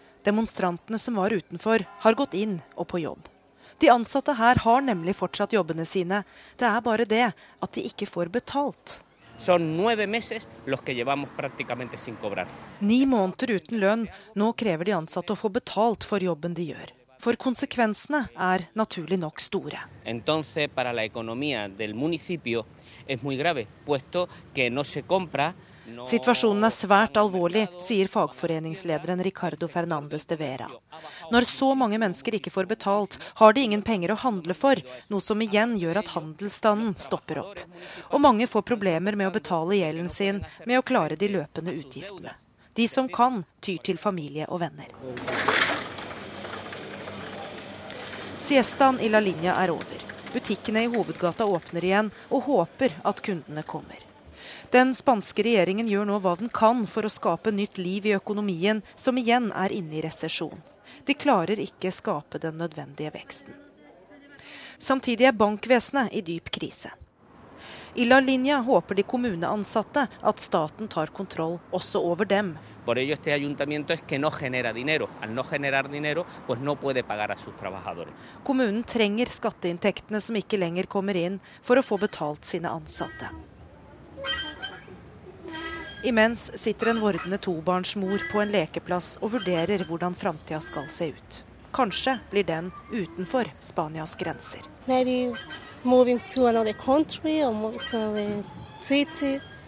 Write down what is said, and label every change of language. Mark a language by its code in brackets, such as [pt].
[no] Demonstrantene som var utenfor har gått inn og på jobb. De ansatte her har nemlig fortsatt jobbene sine. Det er bare det at de ikke får betalt. [es] Son 9 meses los que llevamos prácticamente sin cobrar. [no] 9 måneder uten lønn. Nå krever de ansatte å få betalt for jobben de gjør. For konsekvensene er naturlig nok store. [es] Entonces para la economía del municipio es muy grave, puesto que no se compra. [no] Situasjonen er svært alvorlig, sier fagforeningslederen Ricardo Fernandez de Vera. Når så mange mennesker ikke får betalt, har de ingen penger å handle for, noe som igjen gjør at handelsstanden stopper opp. Og mange får problemer med å betale gjelden sin, med å klare de løpende utgiftene. De som kan, tyr til familie og venner. Siestaen i La Linha er over. Butikkene i hovedgata åpner igjen og håper at kundene kommer. Den spanske regjeringen gjør nå hva den kan for å skape nytt liv i økonomien, som igjen er inne i resesjon. De klarer ikke skape den nødvendige veksten. Samtidig er bankvesenet i dyp krise. I La Linha håper de kommuneansatte at staten tar kontroll også over dem. [es] Por ello este ayuntamiento es que no genera dinero. Al no generar dinero, pues no puede pagar a sus trabajadores. [no] Kommunen trenger skatteinntektene som ikke lenger kommer inn for å få betalt sine ansatte. Imens sitter en vordende tobarnsmor på en lekeplass og vurderer hvordan framtiden skal se ut. Kanskje blir den utenfor Spanias grenser. [en] Maybe moving to another country or moving to another city.